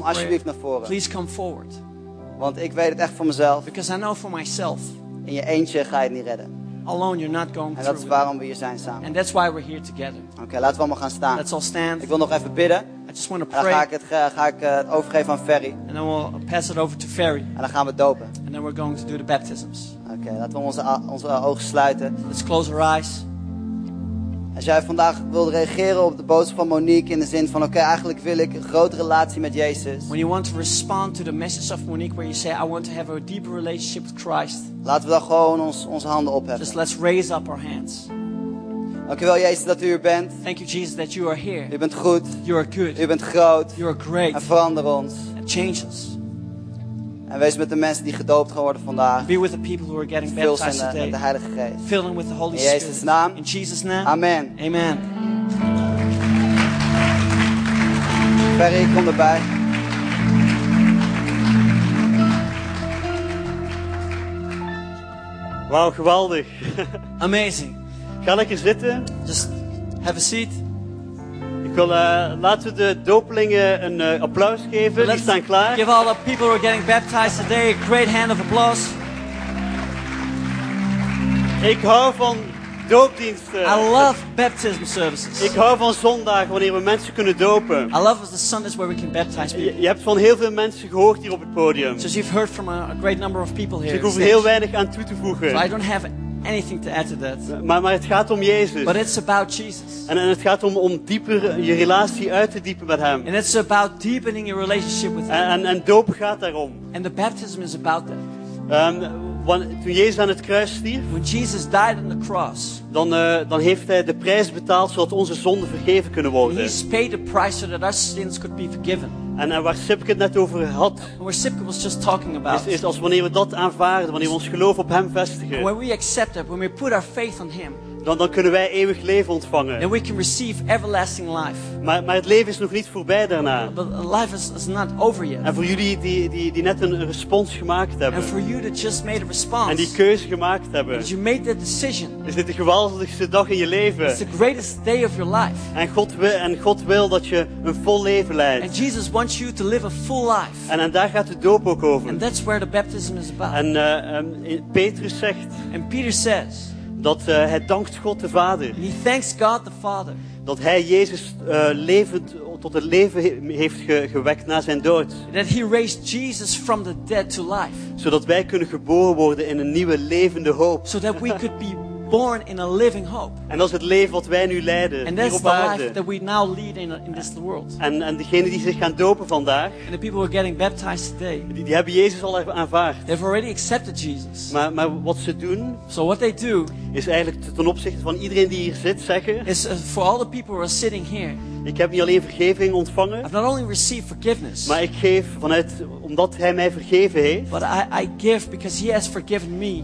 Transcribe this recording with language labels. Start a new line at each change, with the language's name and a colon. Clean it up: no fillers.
Dutch: Kom alsjeblieft naar voren.
English: Please come forward.
Dutch: Want ik weet het echt voor mezelf.
English: Because I know for myself.
Dutch: In je eentje ga je het niet redden.
English: Alone, you're not going
Dutch: en dat is waarom we hier zijn samen.
English: And that's why we're here together.
Dutch: Oké, laten we allemaal gaan staan.
English: Let's all stand.
Dutch: Ik wil nog even bidden.
English: I just want to pray.
Dutch: En dan ga ik het overgeven aan Ferry.
English: And then we'll pass it over to Ferry.
Dutch: En dan gaan we dopen.
English: And then we're going to do the baptisms.
Dutch: Oké, laten we onze ogen sluiten.
English: Let's close our eyes.
Dutch: Als jij vandaag wilt reageren op de boodschap van Monique in de zin van oké, eigenlijk wil ik een grote relatie met Jezus.
English: When you want to respond to the message of Monique where you say I want to have a deeper relationship with Christ.
Dutch: Laten we dan gewoon onze handen opheffen.
English: Just let's raise up our hands.
Dutch: Dankjewel Jezus dat u hier bent.
English: Thank you Jesus that you are here.
Dutch: U bent goed.
English: You are good.
Dutch: U bent groot.
English: You are great.
Dutch: En verander ons.
English: And change us.
Dutch: En wees met de mensen die gedoopt geworden vandaag.
English: Be with the people who are getting baptized today.
Dutch: Vul ze met de Heilige Geest.
English: Fill them with the Holy Spirit.
Dutch: In Jezus naam.
English: In Jesus' name.
Dutch: Amen.
English: Amen.
Dutch: Ferry, kom erbij. Wauw, geweldig.
English: Amazing.
Dutch: Ga lekker zitten.
English: Just have a seat.
Dutch: Laten we de dopelingen een applaus geven.
English: Let's
Dutch: die staan klaar.
English: Give all the people who are getting baptized today a great hand of applause.
Dutch: Ik hou van doopdiensten.
English: I love baptism services.
Dutch: Ik hou van zondagen wanneer we mensen kunnen dopen.
English: I love the Sundays where we can baptize people.
Dutch: Je hebt van heel veel mensen gehoord hier op het podium.
English: So you've heard from a great number of people here.
Dutch: Dus ik hoef heel weinig aan toe te voegen.
English: So I don't have anything to add to that.
Dutch: Maar het gaat om Jezus.
English: But it's about Jesus.
Dutch: En het gaat om dieper je relatie uit te diepen met Hem.
English: And it's about deepening your relationship with Him.
Dutch: En doop gaat daarom.
English: And the baptism is about that.
Dutch: Toen Jezus aan het kruis stierf,
English: when Jesus died on the cross,
Dutch: dan heeft Hij de prijs betaald zodat onze zonden vergeven kunnen worden.
English: He's paid the price so that our sins could be forgiven.
Dutch: En waar Sipke het net over had,
English: where Sipke was just talking about,
Dutch: is als wanneer we dat aanvaarden, wanneer we ons geloof op Hem vestigen.
English: When we accept that, when we put our faith on Him,
Dutch: dan kunnen wij eeuwig leven ontvangen.
English: Then we can receive everlasting life.
Dutch: Maar het leven is nog niet voorbij daarna.
English: But life is not over yet.
Dutch: En voor jullie die net een respons gemaakt hebben.
English: And for you that just made a response.
Dutch: En die keuze gemaakt hebben.
English: You made that decision.
Dutch: Is dit de geweldigste dag in je leven?
English: It's the greatest day of your life.
Dutch: En God wil dat je een vol leven leidt.
English: And Jesus wants you to live a full life.
Dutch: En daar gaat de doop ook over.
English: And that's where the baptism is about.
Dutch: Petrus zegt.
English: And Peter says.
Dutch: Dat hij dankt God de Vader.
English: He thanks God the Father.
Dutch: Dat hij Jezus levend tot het leven heeft gewekt na zijn dood.
English: That he raised Jesus from the dead to life.
Dutch: Zodat wij kunnen geboren worden in een nieuwe levende hoop.
English: So that we could be born in a living hope.
Dutch: En dat is het leven wat wij nu leiden.
English: And that's the life that we now lead in this world.
Dutch: En degenen die zich gaan dopen vandaag.
English: And the people who are getting baptized today.
Dutch: Die hebben Jezus al aanvaard.
English: They've already accepted Jesus.
Dutch: Maar wat ze doen.
English: So what they do.
Dutch: Is eigenlijk ten opzichte van iedereen die hier zit zeggen.
English: Is for all the people who are sitting here.
Dutch: Ik heb niet alleen vergeving ontvangen.
English: I've not only received forgiveness.
Dutch: Maar ik geef vanuit omdat Hij mij vergeven heeft.
English: But I give because He has forgiven me.